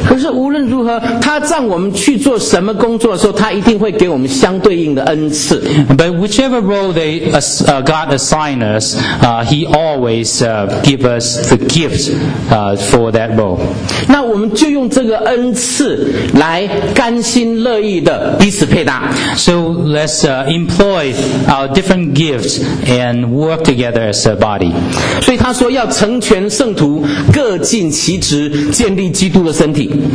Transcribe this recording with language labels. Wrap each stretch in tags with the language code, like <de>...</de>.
<zh>可是无论如何，他让我们去做什么工作的时候，他一定会给我们相对应的恩赐。</zh> <en>But whichever role they God assign us, He always give us the gift for that role.</en> <zh>那我们就用这个恩赐来甘心乐意的彼此配搭。</zh> <en>So let's employ our different gifts and work together as a body.</en> <zh>所以他说要成全圣徒，各尽其职，建立基督的身体。</zh>